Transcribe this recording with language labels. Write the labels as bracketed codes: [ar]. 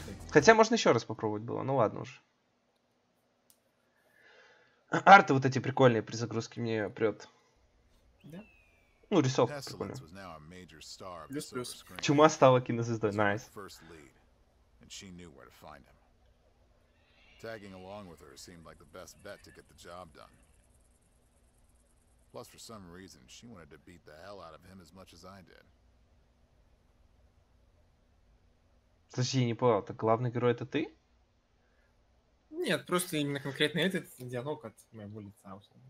[ru] Хотя можно еще раз попробовать было, ну ладно уж. Арты вот эти прикольные при загрузке мне прет. Да? Ну, рисовка прикольная. Плюс-плюс. Чума стала кинозвездой, найс. [en] Nice. Tagging along with her seemed like the best bet to get the job done. Plus, for some reason, she wanted to beat the hell out of him as much as I did. [ru] Подожди, я не понял, так главный герой это ты? Нет, просто именно конкретно этот диалог от моего лица.